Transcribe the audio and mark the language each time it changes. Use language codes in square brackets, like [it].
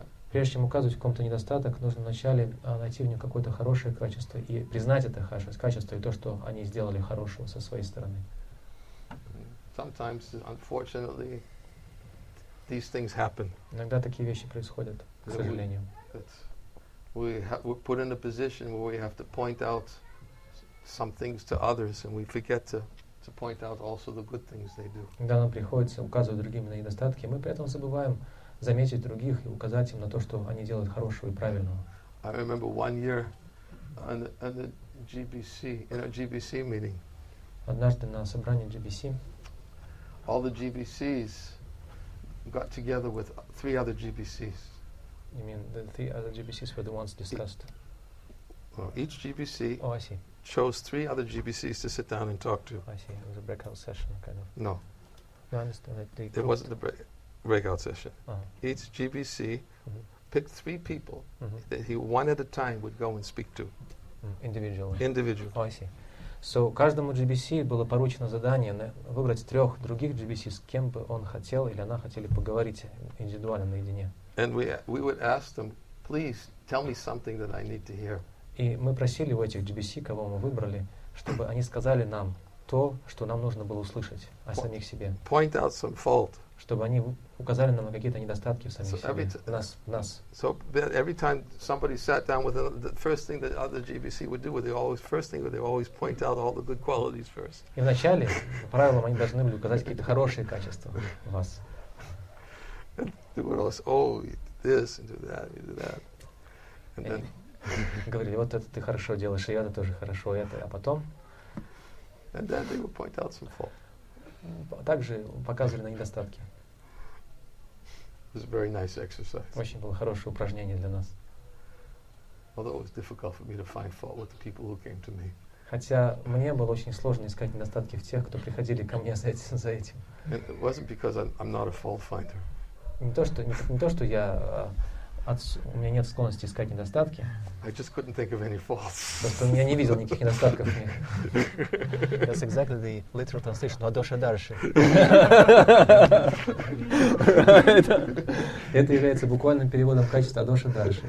[ru] прежде чем указывать в ком-то недостаток, нужно вначале найти в нем какое-то хорошее качество и признать это хорошее качество и то, что они сделали хорошего со своей стороны. [en] Sometimes, unfortunately, these things happen. [ru] Иногда такие вещи происходят, к сожалению. [en] We're put in a position where we have to point out some things to others, and we forget to point out also the good things they do. [ru] Когда нам приходится указывать другим на недостатки, мы при этом забываем заметить других и указать им на то, что они делают хорошего и правильного. [en] I remember one year on the GBC in a GBC meeting. [ru] Однажды на собрании GBC. [en] All the GBCs got together with three other GBCs. You mean the other GBCs were the ones discussed? Each GBC chose three other GBCs to sit down and talk to. I see. It was a breakout session, kind of. No. No, I understand. It wasn't the breakout session. Uh-huh. Each GBC mm-hmm. picked three people mm-hmm. that he one at a time would go and speak to. Individually. Oh, I see. [ru] So, каждому GBC было поручено задание выбрать трех других GBC, с кем бы он хотел или она хотели поговорить индивидуально, наедине. [en] And we would ask them, please tell me something that I need to hear. [ru] И мы просили у этих GBC, кого мы выбрали, чтобы они сказали нам то, что нам нужно было услышать о самих себе. [en] Point out some fault. [ru] Чтобы они указали нам на какие-то недостатки в самих себе. Нас. [en] So every time somebody sat down with the first thing that other GBC would do, they always point out all the good qualities first. [ru] И вначале, по правилам, они должны были указать какие-то хорошие качества в вас. [en] They would always do this and do that. And then [ru] говорили, вот это ты хорошо делаешь, и это тоже хорошо, это, а потом. [en] And then they would point out some fault. [ru] Также показывали на недостатки. [en] It was a very nice exercise. [ru] Очень было хорошее упражнение для нас. [en] Although it was difficult for me to find fault with the people who came to me. [ru] Хотя мне было очень сложно искать недостатки в тех, кто приходили ко мне за этим. [en] It wasn't because I'm not a fault finder. [ru] Не то, что я у меня нет склонности искать недостатки. [en] I just couldn't think of any faults. [ru] Просто я не видел никаких недостатков в них. [en] That's exactly the literal translation. [ru] Адоша дальше. Это является буквальным переводом качества Адоша дальше.